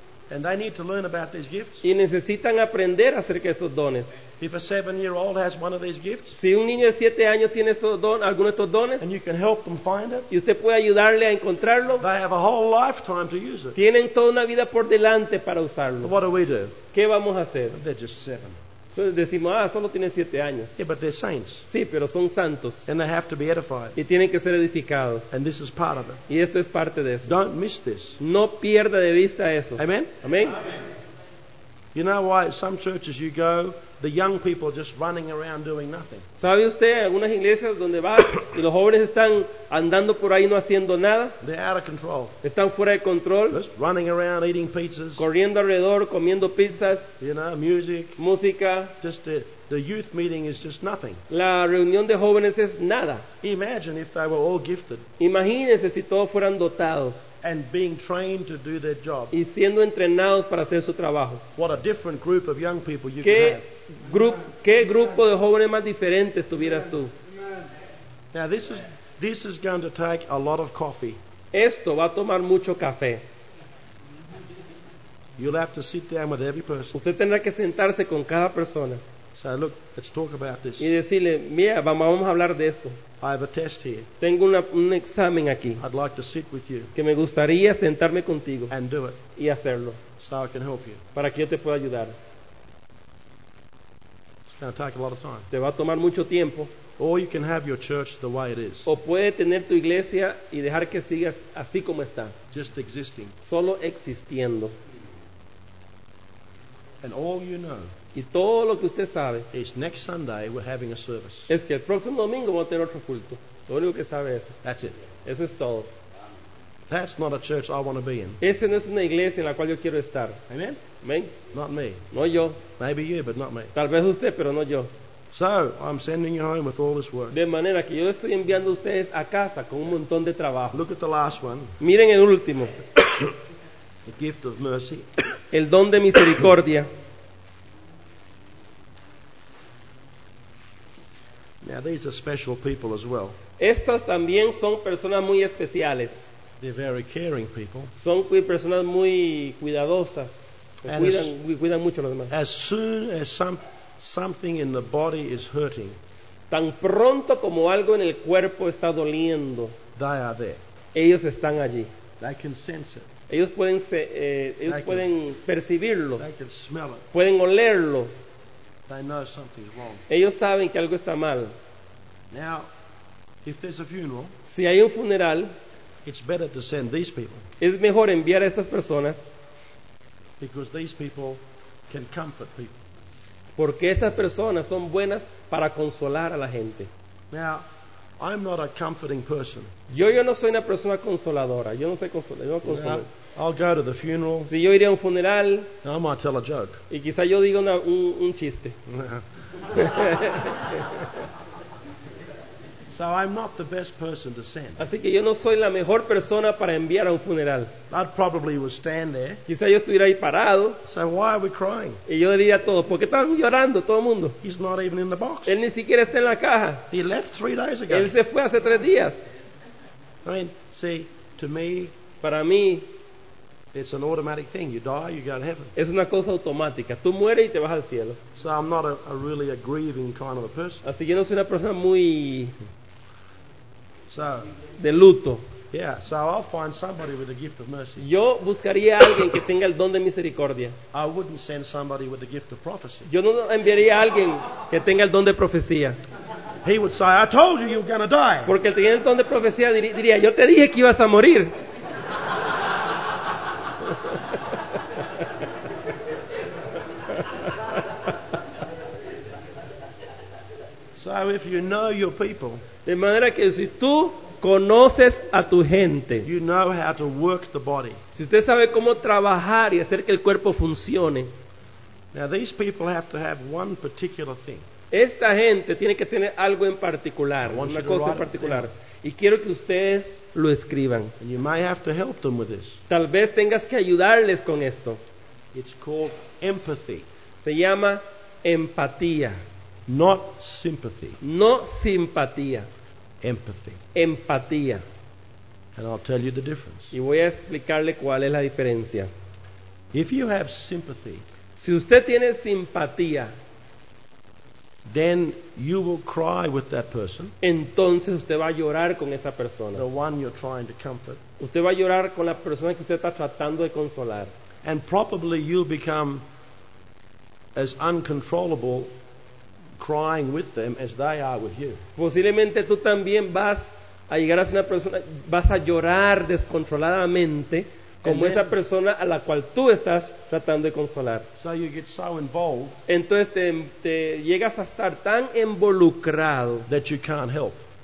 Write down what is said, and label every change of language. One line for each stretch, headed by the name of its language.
English: And they need to learn about these gifts.
Spanish: Y necesitan aprender acerca de estos dones.
English: If a 7-year-old has one of these gifts,
Spanish: si un niño de 7 años tiene alguno de estos dones,
English: and you can help them find it,
Spanish: y usted puede ayudarle a encontrarlo,
English: they have a whole lifetime to use it.
Spanish: Tienen toda una vida por delante para usarlo.
English: What do we do?
Spanish: ¿Qué vamos a hacer?
English: They're just 7.
Spanish: So decimos, solo tiene 7 años.
English: Yeah, but they're saints.
Spanish: Sí, pero son santos.
English: And they have to be edified.
Spanish: Y tienen que ser edificados.
English: And this is part of it.
Spanish: Y esto es parte de eso.
English: Don't miss this.
Spanish: No pierda de vista eso.
English: Amen.
Spanish: Amen. Amen.
English: You know why some churches you go, the young people are just running around doing nothing.
Spanish: ¿Sabe usted algunas iglesias donde vas y los jóvenes están andando por ahí no haciendo nada?
English: They're out of control.
Spanish: Están fuera de control.
English: Just running around eating pizzas.
Spanish: Corriendo alrededor, comiendo pizzas.
English: You know, music.
Spanish: Música.
English: Just the youth meeting is just nothing.
Spanish: La reunión de jóvenes es nada.
English: Imagine if they were all gifted. Imagínese si todos fueran dotados. And being trained to do their job. Y siendo entrenados para hacer su trabajo. What a different group of young people you could have.
Spanish: ¿Qué grupo de jóvenes más diferentes tuvieras tú?
English: Now this is going to take a lot of coffee.
Spanish: Esto va a tomar mucho café.
English: You'll have to sit down with every person.
Spanish: Usted tendrá que sentarse con cada persona.
English: So look, let's talk about this.
Spanish: Y decirle, mira, vamos a hablar de esto.
English: I have a test here.
Spanish: Tengo un examen aquí.
English: I'd like to sit with you.
Spanish: Que me gustaría sentarme contigo.
English: And do it.
Spanish: Y hacerlo.
English: So I can help you.
Spanish: Para que yo te pueda ayudar.
English: It's going to take a lot of time.
Spanish: Te va a tomar mucho tiempo.
English: Or you can have your church the way it is.
Spanish: O puede tener tu iglesia y dejar que sigas así como está.
English: Just existing.
Spanish: Solo existiendo.
English: And all you know.
Spanish: Y todo lo que usted sabe
English: is next Sunday we're having a service.
Spanish: Es que el próximo domingo vamos a tener otro culto. Lo único que sabe es eso.
English: That's it.
Spanish: Eso es todo.
English: That's not a church I want to be in.
Spanish: Esa no es una iglesia en la cual yo quiero estar.
English: Amen.
Spanish: Amen.
English: Not me.
Spanish: No yo.
English: Maybe you, but not me.
Spanish: Tal vez usted, pero no yo.
English: So I'm sending you home with all this work.
Spanish: De manera que yo estoy enviando a ustedes a casa con un montón de trabajo.
English: Look at the last one.
Spanish: Miren el último.
English: The gift of mercy.
Spanish: El don de misericordia.
English: Now these are special people as well.
Spanish: Estas también son personas muy especiales.
English: They're very caring people.
Spanish: Son personas muy cuidadosas. Cuidan mucho a los demás.
English: As soon as something in the body is hurting,
Spanish: tan pronto como algo en el cuerpo está doliendo,
English: they are there.
Spanish: Ellos están allí.
English: They can sense it.
Spanish: Ellos pueden pueden percibirlo.
English: They can smell it.
Spanish: Pueden olerlo.
English: They know something is wrong.
Spanish: Ellos saben que algo está mal.
English: Now, if there's a funeral,
Spanish: si hay un funeral,
English: it's better to send these people.
Spanish: Es mejor enviar a estas personas.
English: Because these people can comfort people.
Spanish: Porque estas personas son buenas para consolar a la gente.
English: Now, I'm not a comforting person.
Spanish: Yo no soy una persona consoladora. Yo no soy consolador.
English: I'll go to the funeral.
Spanish: Si yo iría a un funeral,
English: I might tell a joke.
Spanish: Y quizá yo diga un chiste.
English: So I'm not the best person to send.
Spanish: Así que yo no soy la mejor persona para enviar a un funeral.
English: I'd probably would stand there.
Spanish: Quizá yo estuviera ahí parado.
English: So why are we crying?
Spanish: Y yo diría todo, ¿por qué están llorando todo el mundo?
English: He's not even in the box.
Spanish: Él ni siquiera está en la caja.
English: He left 3 days ago.
Spanish: Él se fue hace 3 días.
English: I mean, see, to me,
Spanish: para mí,
English: it's an automatic thing. You die, you go to heaven.
Spanish: Es una cosa automática. Tú mueres y te vas al cielo.
English: So I'm not a really a grieving kind of a person.
Spanish: Así que yo no soy una persona muy so, de luto.
English: Yeah, so I'll find somebody with the gift of mercy.
Spanish: Yo buscaría a alguien que tenga el don de misericordia.
English: I wouldn't send somebody with the gift of prophecy.
Spanish: Yo no enviaría a alguien que tenga el don de profecía.
English: He would say, I told you you were going to die.
Spanish: Porque el que tiene el don de profecía diría, yo te dije que ibas a morir.
English: So if you know your people,
Spanish: de manera que si tú conoces a tu gente,
English: you know how to work the body.
Spanish: Si usted sabe cómo trabajar y hacer que el cuerpo funcione.
English: Now these people have to have one particular thing.
Spanish: Esta gente tiene que tener algo en particular, una cosa en particular. Y quiero que ustedes lo escriban.
English: And you may have to help them with this.
Spanish: Tal vez tengas que ayudarles con esto.
English: It's called empathy.
Spanish: Se llama empatía.
English: Not sympathy.
Spanish: No simpatía.
English: Empathy.
Spanish: Empatía.
English: And I'll tell you the difference.
Spanish: Y voy a explicarle cuál es la diferencia.
English: If you have sympathy,
Spanish: si usted tiene simpatía,
English: then you will cry with that person.
Spanish: Entonces usted va a llorar con esa persona.
English: The one you're trying to comfort.
Spanish: Usted va a llorar con la persona que usted está tratando de consolar.
English: And probably you'll become as uncontrollable crying with them as they are with you.
Spanish: Posiblemente tú también vas a llegar a ser una persona, vas a llorar descontroladamente como esa persona a la cual tú estás tratando de consolar.
English: So you get so involved.
Spanish: Entonces te llegas a estar tan involucrado
English: that you can't help.